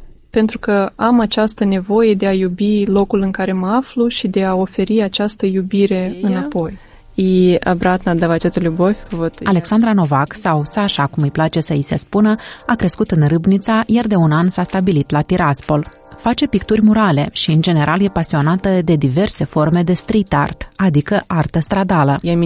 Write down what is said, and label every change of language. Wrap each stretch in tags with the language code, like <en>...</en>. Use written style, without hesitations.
<ro>Pentru că am această nevoie de a iubi locul în care mă aflu și de a oferi această iubire înapoi.</ro> <ru>И обратно отдавать эту любовь. Вот.</ru> <ro>Александра Новак, sau Саша, cum îi place să îi se spună, a crescut în Râbnița, iar de un an s-a stabilit la Tiraspol. Face picturi murale și, în general, e pasionată de diverse forme de street art, adică artă stradală.</ro>